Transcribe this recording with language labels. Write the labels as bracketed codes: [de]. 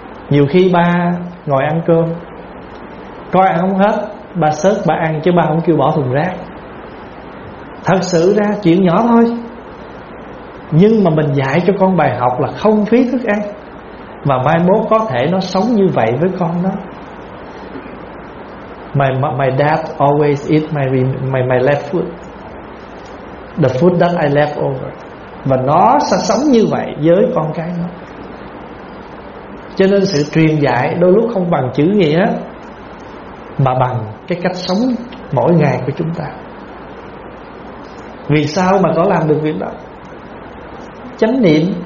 [vi] Nhiều khi ba ngồi ăn cơm coi ăn không hết, ba xớt ba ăn chứ ba không kêu bỏ thùng rác. Thật sự ra chuyện nhỏ thôi, nhưng mà mình dạy cho con bài học là không phí thức ăn, và mai mốt có thể nó sống như vậy với con đó. [en] My dad always eat my left foot, the food that I left over. [vi] Và nó sẽ sống như vậy với con cái nó. Cho nên sự truyền dạy đôi lúc không bằng chữ nghĩa, mà bằng cái cách sống mỗi ngày của chúng ta. Vì sao mà có làm được việc đó? Chánh niệm.